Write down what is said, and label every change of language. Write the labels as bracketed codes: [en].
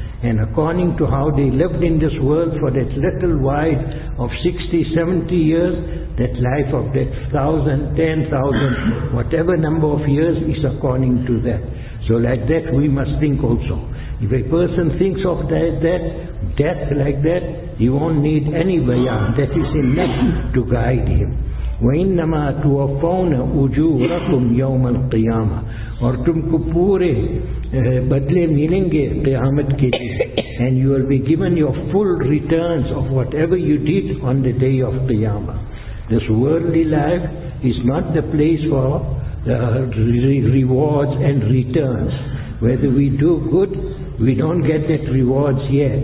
[en] And according to how they lived in this world for that little while of 60, 70 years, that life of that 1,000, 10,000, whatever number of years is according to that. So like that we must think also. If a person thinks of that death like that, he won't need any bayan. That is enough to guide him. [ar] وَإِنَّمَا تُوَفَّوْنَ أُجُورَكُمْ يَوْمَ الْقِيَامَةِ. [ur] اور تم کو پورے بدلے ملیں گے قیامت کے لئے. [en] And you will be given your full returns of whatever you did on the day of Qiyamah. This worldly life is not the place for rewards and returns. Whether we do good, we don't get that rewards yet.